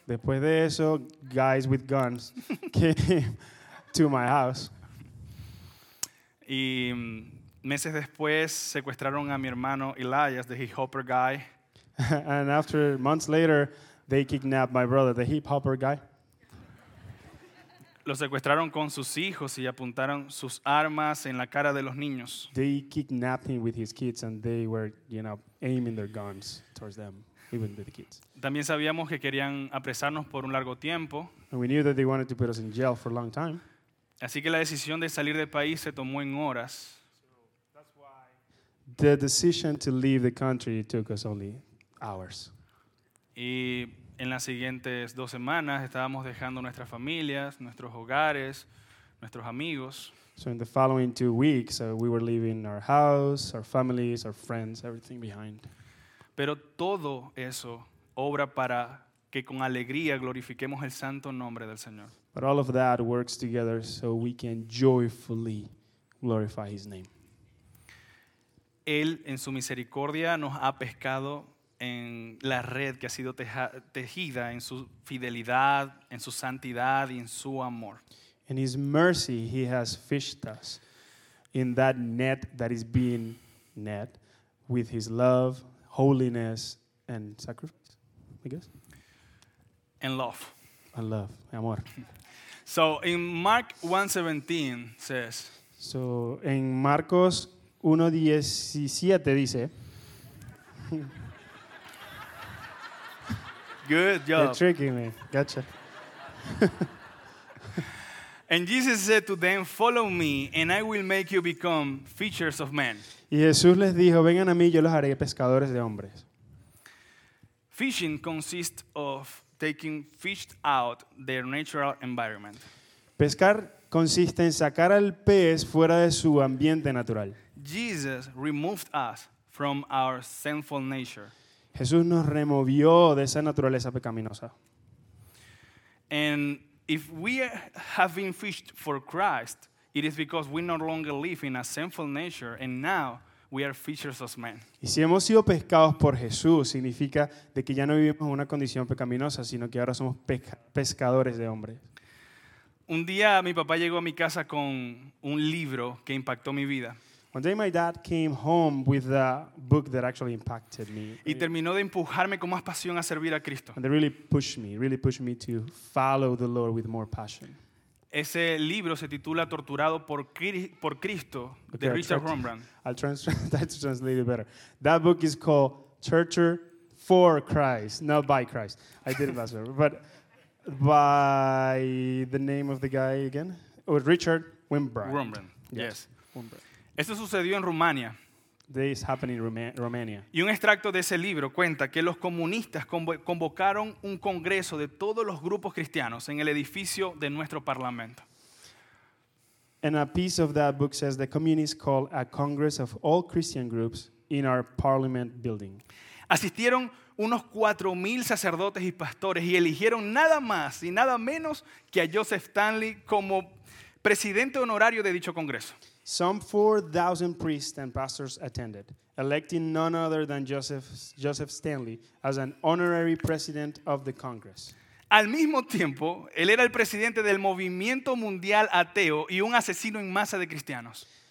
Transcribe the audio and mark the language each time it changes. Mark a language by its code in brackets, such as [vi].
[es] Después de eso, [en] guys with guns came to my house. [es] Y meses después, secuestraron a mi hermano Elias, [en] the hip-hopper guy. And after months later, they kidnapped my brother, the hip-hopper guy. [es] Lo secuestraron con sus hijos y apuntaron sus armas en la cara de los niños. [en] They kidnapped him with his kids and they were, you know, aiming their guns towards them, even with the kids. [es] También sabíamos que querían apresarnos por un largo tiempo. [en] And we knew that they wanted to put us in jail for a long time. [es] Así que la decisión de salir del país se tomó en horas. [en] The decision to leave the country took us only hours. [es] Y en las siguientes dos semanas estábamos dejando nuestras familias, nuestros hogares, nuestros amigos. [en] So in the following 2 weeks, we were leaving our house, our families, our friends, everything behind. [es] Pero todo eso obra para que con alegría glorifiquemos el santo nombre del Señor. [en] But all of that works together so we can joyfully glorify His name. [es] Él en su misericordia nos ha pescado en la red que ha sido tejida en su fidelidad, en su santidad y en su amor. [en] In his mercy, he has fished us in that net that is being net with his love, holiness, and sacrifice, I guess. And love. And love, amor. So in Mark 1:17 says. [es] So in Marcos 1:17 dice. [en] Good job. You're tricking me. Gotcha. And Jesus said to them, "Follow me, and I will make you become fishers of men." [es] Y Jesús les dijo, "Vengan a mí, yo los haré pescadores de hombres." [en] Fishing consists of taking fish out their natural environment. [es] Pescar consiste en sacar al pez fuera de su ambiente natural. [en] Jesus removed us from our sinful nature. [es] Jesús nos removió de esa naturaleza pecaminosa. [en] And if we have been fished for Christ, it is because we no longer live in a sinful nature, and now we are fishers of men. [es] Y si hemos sido pescados por Jesús, significa de que ya no vivimos en una condición pecaminosa, sino que ahora somos pescadores de hombres. Un día mi papá llegó a mi casa con un libro que impactó mi vida. [en] One day my dad came home with a book that actually impacted me. [es] Y terminó de empujarme con más pasión a servir a Cristo. [en] And it really pushed me to follow the Lord with more passion. [es] Ese libro se titula Torturado por Cristo, de okay, Richard Rembrandt. [en] I'll try to translate it better. That book is called Torture for Christ, not by Christ. I did it last year. But by the name of the guy again? Or Richard Wimbrand. [es] Rembrandt, yes. Wimbrandt. Esto sucedió en Rumania. [en] This happened in Romania. [es] Y un extracto de ese libro cuenta que los comunistas convocaron un congreso de todos los grupos cristianos en el edificio de nuestro parlamento. [en] And a piece of that book says the communists called a congress of all Christian groups in our parliament building. [es] Asistieron unos 4,000 sacerdotes y pastores y eligieron nada más y nada menos que a Joseph Stanley como presidente honorario de dicho congreso. [en] Some 4,000 priests and pastors attended, electing none other than Joseph Stanley as an honorary president of the Congress. [es] Al mismo tiempo, él era el presidente del movimiento mundial ateo y un asesino en masa de cristianos.